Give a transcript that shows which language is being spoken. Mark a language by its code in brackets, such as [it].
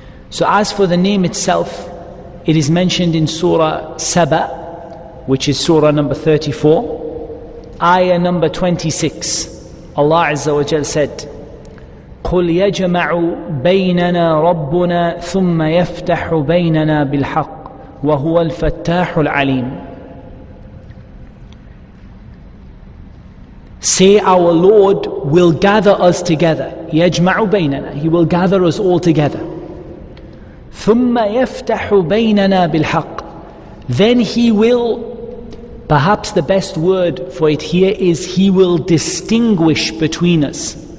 [en] So as for the name itself, it is mentioned in Surah Saba, which is Surah number 34, Ayah number 26. Allah Azza wa Jal said, [ar] قُلْ يَجْمَعُ بَيْنَنَا رَبُّنَا ثُمَّ يَفْتَحُ بَيْنَنَا بِالْحَقِّ وَهُوَ الْفَتَّاحُ الْعَلِيمُ. [en] Say, our Lord will gather us together. [ar] يَجْمَعُ بَيْنَنَا. [en] He will gather us all together. [ar] ثُمَّ يَفْتَحُ بَيْنَنَا بِالْحَقِّ. [en] Then he will, perhaps the best word for it here is, he will distinguish between us.